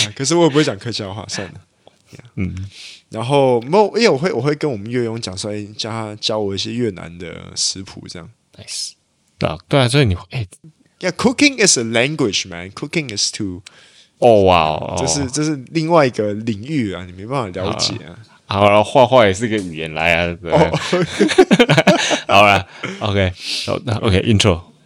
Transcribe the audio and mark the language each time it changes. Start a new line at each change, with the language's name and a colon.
Chinese: 可是我也不会讲客家话算了、yeah. 然后没有，因为我会跟我们月佣讲说教我一些越南的食谱这样 nice、啊、对啊，所以你哎、欸、
English: yeah, cooking is a language man, cooking is to 哦哇哦，
Chinese: 这是另外一个领域啊，你没办法了解啊。好了，画画也是个语言来啊，对。Oh. 好了 ，OK， 那 OK，Intro。